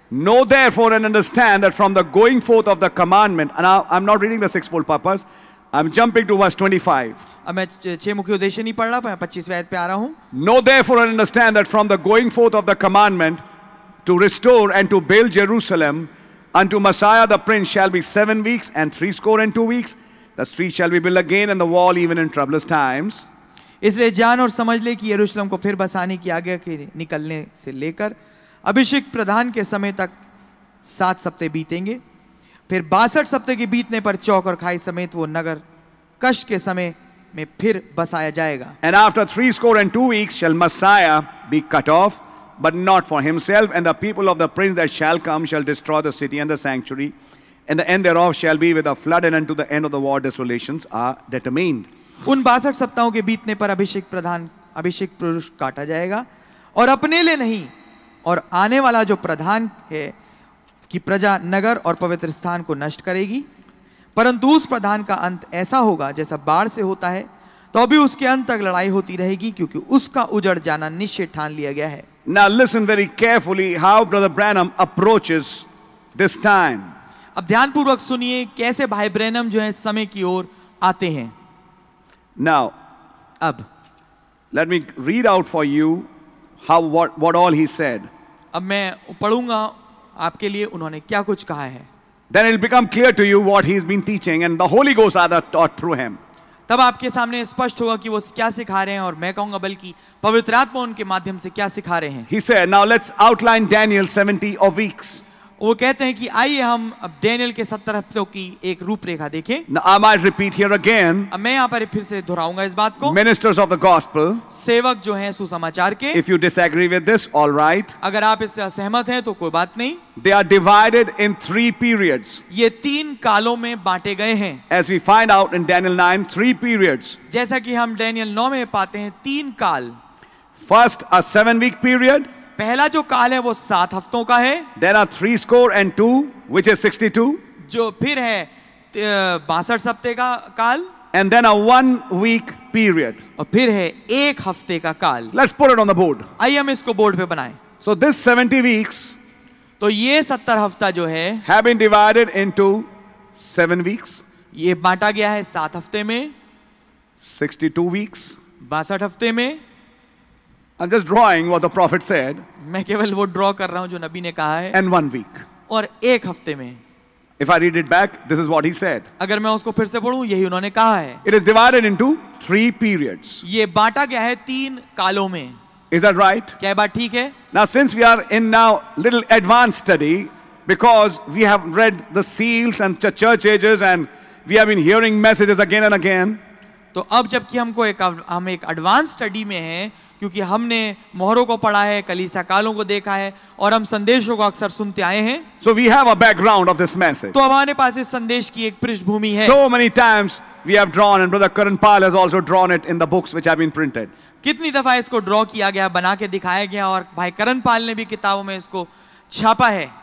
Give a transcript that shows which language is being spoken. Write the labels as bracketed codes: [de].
[en] Know therefore and understand that from the going forth of the commandment, and I'm not reading the sixfold purpose, I'm jumping to verse 25. [hi] अब मैं छह मुख्य उद्देश्य नहीं पढ़ रहा, मैं 25वें आयत पे आ रहा हूं. [en] Know therefore and understand that from the going forth of the commandment to restore and to build Jerusalem unto Messiah the Prince shall be 7 weeks and 62 weeks. The street shall be built again and the wall even in troublous times. [hi] इसलिए जान और समझ ले कि यरूशलेम को फिर बसाने की आज्ञा के निकलने से लेकर अभिषेक प्रधान के समय तक 7 सप्ते बीतेंगे. फिर 62 सप्ते के बीतने पर चौक और खाई समेत वो नगर कष्ट के समय में फिर बसाया जाएगा. [en] And after 62 weeks shall Messiah be cut off, but not for himself. And the people of the prince that shall come shall destroy the city and the sanctuary. And the end thereof shall be with a flood. And unto the end of the war desolations are determined. [hi] उन 62 सप्ताहों के बीतने पर अभिषेक प्रधान अभिषेक पुरुष काटा जाएगा और अपने लिए नहीं और आने वाला जो प्रधान है कि प्रजा नगर और पवित्र स्थान को नष्ट करेगी. परंतु उस प्रधान का अंत ऐसा होगा जैसा बाढ़ से होता है, तो अभी उसके अंत तक लड़ाई होती रहेगी क्योंकि उसका उजड़ जाना निश्चय ठान लिया गया है. [en] Now listen very carefully how Brother Branham approaches this time. [hi] अब ध्यानपूर्वक सुनिए कैसे भाई ब्रैनम जो है समय की ओर आते हैं. [en] Now, [hi] अब [en] let me read out for you how what all he said. [hi] अब मैं पढ़ूंगा आपके लिए उन्होंने क्या कुछ कहा है. [en] Then it'll become clear to you what he's been teaching and the Holy Ghost rather taught through him. [hi] तब आपके सामने स्पष्ट होगा कि वो क्या सिखा रहे हैं और मैं कहूंगा बल्कि पवित्र आत्मा उनके माध्यम से क्या सिखा रहे हैं. [en] He said, now let's outline Daniel 70 of weeks. [hi] वो कहते हैं कि आइए हम अब डेनियल के 70 हफ्तों की एक रूपरेखा देखें. [en] Now, I might repeat here again. [hi] अब मैं यहाँ पर फिर से दोहराऊंगा इस बात को. [en] Ministers of the gospel. [hi] सेवक जो हैं सुसमाचार के. [en] If you disagree with this, all right. [hi] अगर आप इससे असहमत हैं तो कोई बात नहीं. [en] They are divided in 3 periods. [hi] ये 3 कालों में बांटे गए हैं. [en] As we find out in Daniel 9, 3 periods. [hi] जैसा कि हम डेनियल 9 में पाते हैं 3 काल. [en] First, a 7-week period. [hi] पहला जो काल है वो 7 हफ्तों का है. [en] There are 62 which is 62. [hi] जो फिर है 62 सप्ते का काल. [en] And then a 1-week period. [hi] और फिर है 1 हफ्ते का काल. [en] Let's put it on the board. [hi] आइए हम इसको बोर्ड पे बनाएं. [en] So this 70 weeks. [hi] तो ये 70 हफ्ता जो है. [en] Have been divided into 7 weeks. [hi] ये बांटा गया है 7 हफ्ते में. [en] 62 weeks. [hi] 62 हफ्ते में. [en] I'm just drawing what the prophet said. [hi] मैं केवल वो draw कर रहा हूँ जो नबी ने कहा है. [en] And 1 week. [hi] और 1 हफ्ते में. [en] If I read it back, this is what he said. [hi] अगर मैं उसको फिर से पढूं, यही उन्होंने कहा है. [en] It is divided into 3 periods. [hi] ये बांटा गया है 3 कालों में. [en] Is that right? [hi] क्या बात ठीक है? [en] Now since we are in now little advanced study, because we have read the seals and the church ages and we have been hearing messages again and again. [hi] तो अब जबकि हम एक advance study में हैं, क्योंकि हमने मोहरों को पढ़ा है, कलीसिया कालों को देखा है और हम संदेशों को अक्सर सुनते आए हैं. [en] So we have a background of this message. [hi] तो हमारे पास इस संदेश की एक पृष्ठभूमि है. [en] So many times we have drawn and Brother Karan Pal has also drawn it in the books which have been printed. [hi] कितनी दफा इसको ड्रॉ किया गया, बना के दिखाया गया और भाई करण पाल ने भी किताबों में इसको छापा है.